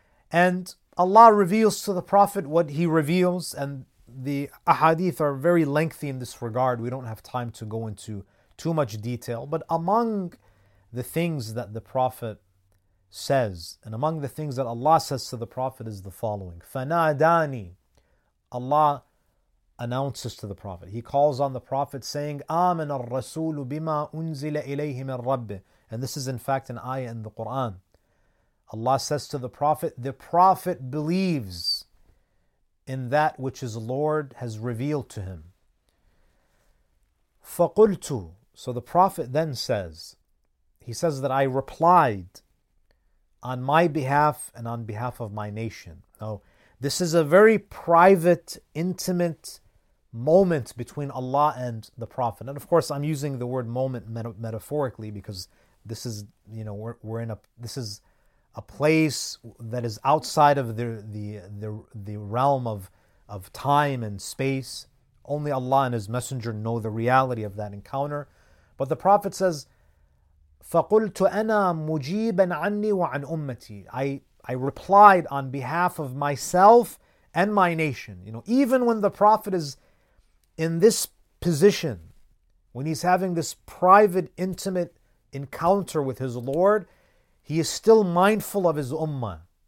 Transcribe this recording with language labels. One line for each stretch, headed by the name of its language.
English: And Allah reveals to the Prophet what He reveals, and the ahadith are very lengthy in this regard. We don't have time to go into too much detail. But among the things that the Prophet says, and among the things that Allah says to the Prophet, is the following.
Arabic: فَنَادَانِ.
English: Allah announces to the Prophet. He calls on the Prophet saying,
Arabic: آمَنَ الرَّسُولُ بِمَا أُنزِلَ إِلَيْهِ مِنْ رَبِّهِ.
English: And this is in fact an ayah in the Qur'an. Allah says to the Prophet believes in that which his Lord has revealed to him.
Arabic: فَقُلْتُ.
English: So the Prophet then says, he says that I replied on my behalf and on behalf of my nation. Now, this is a very private, intimate moment between Allah and the Prophet. And of course, I'm using the word moment metaphorically because this is, you know, this is a place that is outside of the realm of time and space. Only Allah and His Messenger know the reality of that encounter. But the Prophet says,
Arabic: فَقُلْتُ أَنَا مُجِيبًا عَنِّي وَعَنْ أُمَّتِي.
English: I replied on behalf of myself and my nation. You know, even when the Prophet is in this position, when he's having this private, intimate encounter with his Lord, he is still mindful of his ummah.